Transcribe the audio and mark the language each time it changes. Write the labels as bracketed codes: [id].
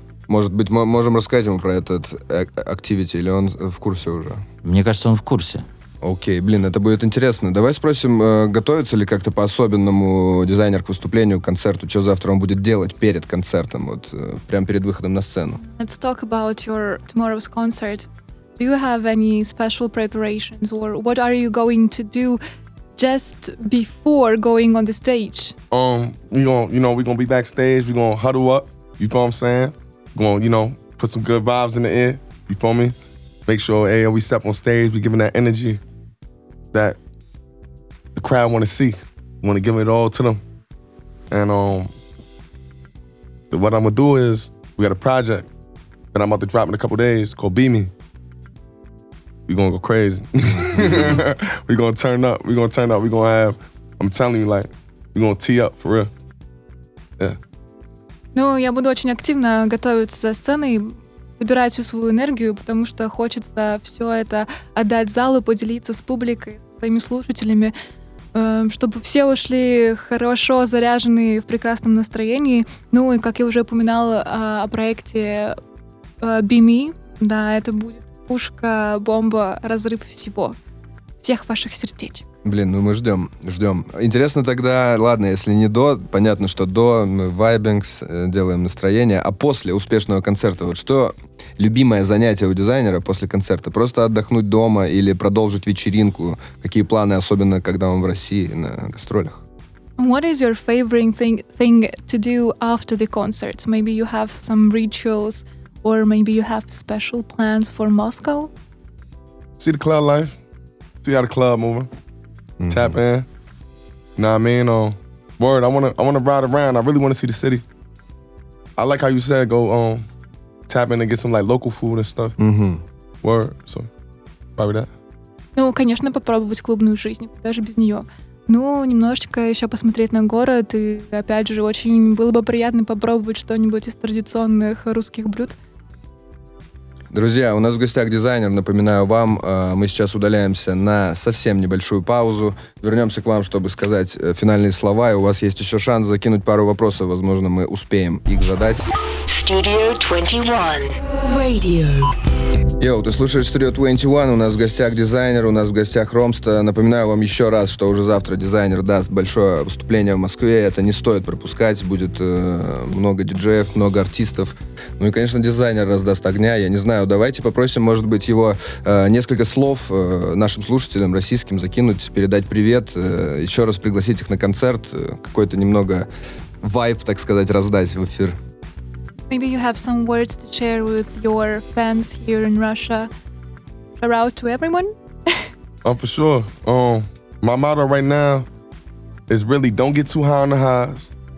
[ru] Может быть, мы можем рассказать ему про этот activity, или он в курсе уже? Мне кажется, он в курсе. Окей, блин, это будет интересно. Давай спросим, готовится ли как-то по-особенному дизайнер к выступлению, к концерту, что завтра он будет делать перед концертом, вот прямо перед выходом на сцену. [en] Let's talk about your tomorrow's concert. Do you have any special preparations or what are you going to do just before going on the stage? We're gonna be backstage, we're gonna huddle up, you know what I'm saying? Gonna, you know, put some good vibes in the air, you feel me? Make sure, hey, we step on stage, we giving that energy that the crowd want to see. Want to give it all to them. And what I'm going to do is, we got a project that I'm about to drop in a couple days called Be Me. We're going to go crazy. Mm-hmm. We're going to turn up. I'm telling you, like, we're going to tee up for real. Yeah. [ru] Ну, я буду очень активно готовиться за сценой, собирать всю свою энергию, потому что хочется все это отдать залу, поделиться с публикой, со своими слушателями, чтобы все ушли хорошо заряженные, в прекрасном настроении. Ну и, как я уже упоминала о проекте Be Me, да, это будет пушка, бомба, разрыв всего, всех ваших сердечек. Блин, ну мы ждем. Интересно тогда, ладно, если не до, понятно, что до, мы вайбингс делаем настроение, а после успешного концерта, вот что любимое занятие у дизайнера после концерта? Просто отдохнуть дома или продолжить вечеринку? Какие планы, особенно когда он в России на гастролях? [en] What is your favorite thing to do after the concert? Maybe you have some rituals or maybe you have special plans for Moscow? See the club life. See how the club moving. Mm-hmm. Tap in. You know what I mean? Word, I wanna ride around. I really wanna see the city. I like how you said go tap in and get some like local food and stuff. Mm-hmm. Word, so probably that. [ru] Ну, конечно, попробовать клубную жизнь, даже без нее. Ну, немножечко еще посмотреть на город, и опять же, очень было бы приятно попробовать что-нибудь из традиционных русских блюд. Друзья, у нас в гостях дизайнер, напоминаю вам, мы сейчас удаляемся на совсем небольшую паузу, вернемся к вам, чтобы сказать финальные слова, и у вас есть еще шанс закинуть пару вопросов, возможно, мы успеем их задать. [en] Studio 21 Radio. [ru] Йоу, ты слушаешь Studio 21, у нас в гостях дизайнер, у нас в гостях Ромста. Напоминаю вам еще раз, что уже завтра дизайнер даст большое выступление в Москве, это не стоит пропускать, будет много диджеев, много артистов. Ну и, конечно, дизайнер раздаст огня, я не знаю, давайте попросим, может быть, его несколько слов нашим слушателям российским закинуть, передать привет, еще раз пригласить их на концерт, какой-то немного вайб, так сказать, раздать в эфир. [en] Maybe you have some words to share with your fans here in Russia. Shout out to everyone. Oh, for sure. My motto right now is really don't get too high on the highs.